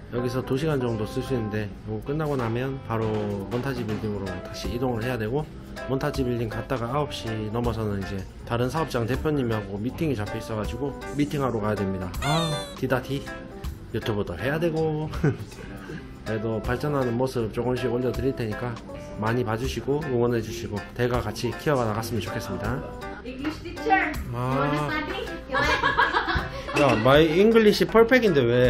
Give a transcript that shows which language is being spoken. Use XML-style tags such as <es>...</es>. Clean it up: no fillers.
<ko>여기서 2시간 정도 쓸 수 있는데 이거 끝나고 나면 바로 몬타지 빌딩으로 다시 이동을 해야 되고 몬타지 빌딩 갔다가 9시 넘어서는 이제 다른 사업장 대표님하고 미팅이 잡혀 있어가지고 미팅하러 가야 됩니다. 아 디다디 유튜브도 해야 되고 그래도 발전하는 모습 조금씩 올려드릴 테니까 많이 봐주시고 응원해주시고 대가 같이 키워가 나갔으면 좋겠습니다.</ko> <en>English teacher, you want to study?</en> <ko>야,</ko> <en>my English perfect</en> <ko>인데 왜?</ko>